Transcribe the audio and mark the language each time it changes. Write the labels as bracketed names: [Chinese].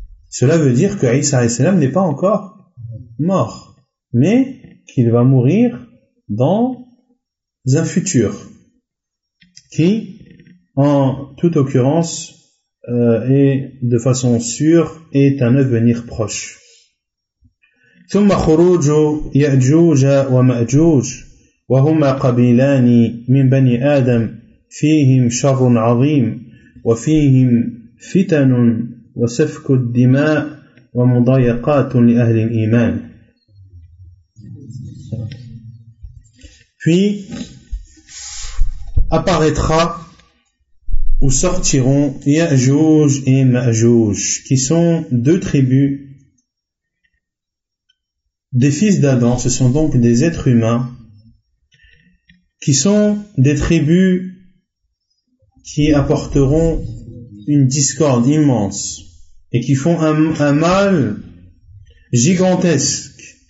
[French] Cela veut dire que Isa [Arabic] alayhi salam [French] n'est pas encore mort, mais qu'il va mourir dans un futur qui, en toute occurrence, et de façon sûre, est un avenir proche. [Arabic] ثم خروج يأجوج ومأجوج وهما قبيلان من بني آدم فيهم شر عظيم وفيهم فتن وسفك الدماء ومضايقات لأهل الإيمان. [French] Puis apparaîtra ou sortiront Ya'juj et Ma'juj, qui sont deux tribus des fils d'Adam, ce sont donc des êtres humains qui sont des tribus qui apporteront une discorde immense et qui font un mal gigantesque.